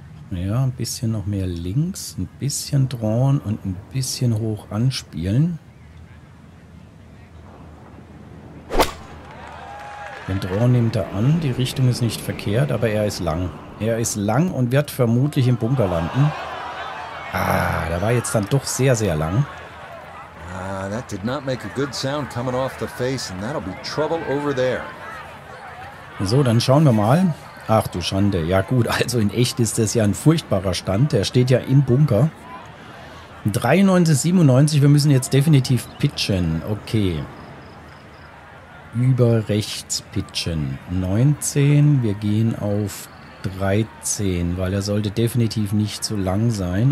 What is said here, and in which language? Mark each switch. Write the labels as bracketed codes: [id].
[de] Ja, ein bisschen noch mehr links, ein bisschen drawn und ein bisschen hoch anspielen. Den Draw nimmt er an, die Richtung ist nicht verkehrt, aber er ist lang. Er ist lang und wird vermutlich im Bunker landen. Ah, da war jetzt dann doch sehr, sehr lang. [en] That did not make a good sound coming off the face and that'll be trouble over there. [de] So, dann schauen wir mal. Ach du Schande. Ja gut, also in echt ist das ja ein furchtbarer Stand. Der steht ja im Bunker. 93, 97, wir müssen jetzt definitiv pitchen. Okay. Über rechts pitchen. 19, wir gehen auf 13, weil er sollte definitiv nicht zu lang sein.